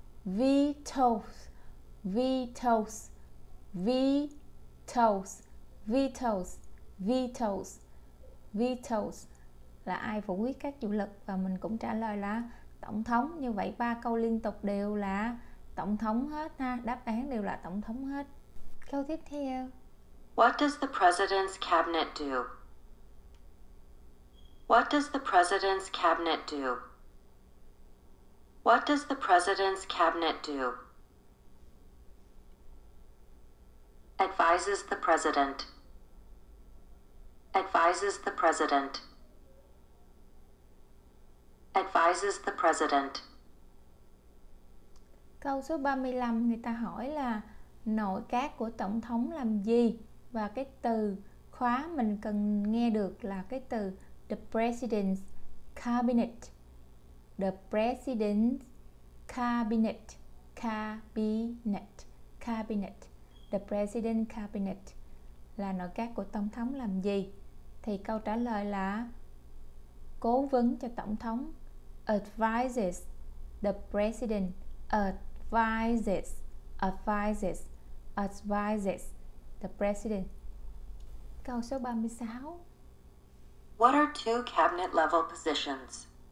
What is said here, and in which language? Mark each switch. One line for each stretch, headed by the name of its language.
English: Vetoes, vetoes, vetoes, vetoes,
Vietnamese: vetoes, vetoes là ai phủ quyết các chủ lực, và mình cũng trả lời là tổng thống. Như vậy ba câu liên tục đều là tổng thống hết ha, đáp án đều là tổng thống hết. Câu tiếp theo.
English: What does the president's cabinet do? What does the president's cabinet do? What does the president's cabinet do? Advises the president. Advises the president. Advises the president.
Vietnamese: Câu số 35 người ta hỏi là nội các của tổng thống làm gì, và cái từ khóa mình cần nghe được là cái từ
English: the president's cabinet. The president's cabinet, cabinet, cabinet, the president's cabinet
Vietnamese: là nội các của tổng thống làm gì, thì câu trả lời là cố vấn cho tổng thống.
English: Advises the president, advises, advises, advises the president.
Vietnamese: Câu số 36.
English: What are two cabinet level positions?